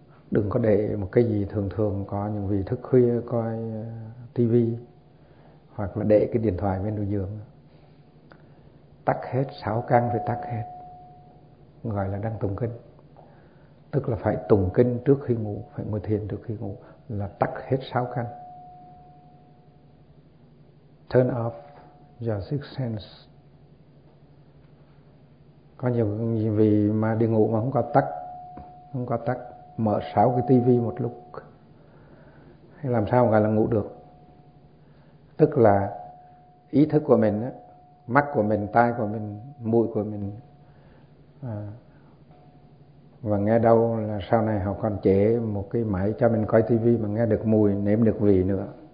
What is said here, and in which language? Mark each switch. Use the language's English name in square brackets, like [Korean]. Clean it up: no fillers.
[Vietnamese] Đừng có để một cái gì, thường thường có những vị thức khuya coi tivi hoặc là để cái điện thoại bên đầu giường. Tắt hết, sáu căn phải tắt hết. Gọi là đang tụng kinh. Tức là phải tụng kinh trước khi ngủ, phải ngồi thiền trước khi ngủ là tắt hết sáu căn. [English] Turn off your sixth sense. [Vietnamese] Có nhiều vị mà đi ngủ mà không có tắt. Mở sáu cái tivi một lúc hay làm sao gọi là ngủ được. Tức là ý thức của mình, mắt của mình, tai của mình, mũi của mình, và nghe đâu là sau này họ còn chế một cái máy cho mình coi tivi mà nghe được mùi, nếm được vị nữa.